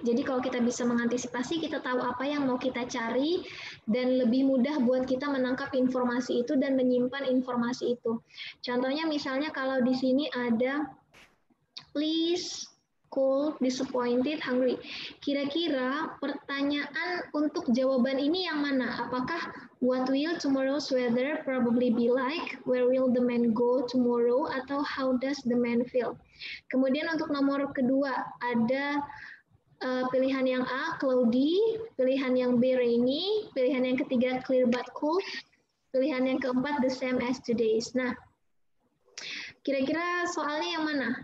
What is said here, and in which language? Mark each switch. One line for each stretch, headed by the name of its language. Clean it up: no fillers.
Indonesian: Jadi kalau kita bisa mengantisipasi, kita tahu apa yang mau kita cari dan lebih mudah buat kita menangkap informasi itu dan menyimpan informasi itu. Contohnya misalnya kalau di sini ada please, cold, disappointed, hungry. Kira-kira pertanyaan untuk jawaban ini yang mana? Apakah
English: what will tomorrow's weather probably be like? Where will the man go tomorrow?
Indonesian: Atau
English: how does the man feel?
Indonesian: Kemudian untuk nomor kedua, ada pilihan yang A, cloudy. Pilihan yang B, rainy. Pilihan yang ketiga, clear but cold. Pilihan yang keempat, the same as today's. Nah, kira-kira soalnya yang mana?